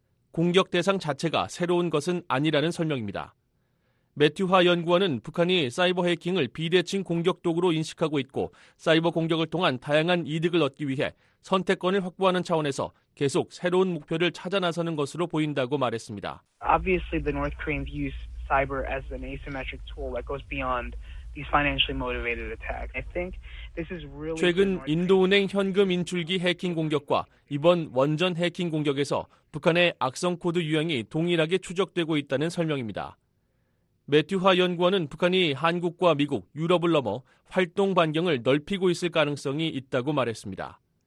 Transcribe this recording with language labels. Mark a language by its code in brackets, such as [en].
[ko] 공격 대상 자체가 새로운 것은 아니라는 설명입니다. 매튜화 연구원은 북한이 사이버 해킹을 비대칭 공격 도구로 인식하고 있고 사이버 공격을 통한 다양한 이득을 얻기 위해 선택권을 확보하는 차원에서 계속 새로운 목표를 찾아 나서는 것으로 보인다고 말했습니다. [en] Obviously the North Koreans use cyber as an asymmetric tool that goes beyond these financially motivated attacks. I think this is really [ko] 최근 인도은행 현금 인출기 해킹 공격과 이번 원전 해킹 공격에서 북한의 악성 코드 유형이 동일하게 추적되고 있다는 설명입니다. 매튜화 연구원은 북한이 한국과 미국, 유럽을 넘어 활동 반경을 넓히고 있을 가능성이 있다고 말했습니다.